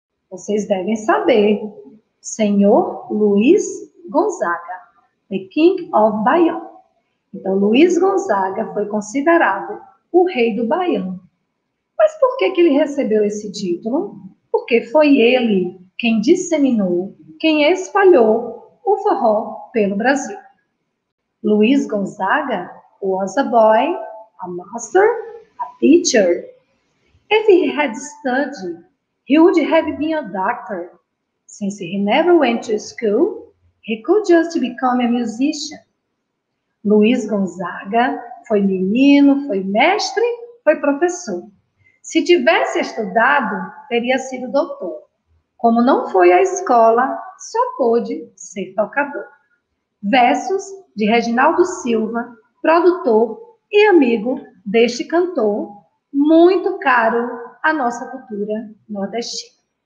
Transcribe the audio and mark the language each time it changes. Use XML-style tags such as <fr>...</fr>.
<pt>Vocês devem saber. Senhor Luiz Gonzaga,</pt> <en>the King of Baião.</en> <pt>Então, Luiz Gonzaga foi considerado o rei do Baião. Mas por que que ele recebeu esse título? Porque foi ele quem disseminou, quem espalhou o forró pelo Brasil.</pt> <en>Luiz Gonzaga was a boy, a master, a teacher. If he had studied, he would have been a doctor. Since he never went to school, he could just become a musician.</en> <pt>Luiz Gonzaga foi menino, foi mestre, foi professor. Se tivesse estudado, teria sido doutor. Como não foi à escola, só pôde ser tocador. Versos de Reginaldo Silva, produtor e amigo deste cantor, muito caro à nossa cultura nordestina.</pt>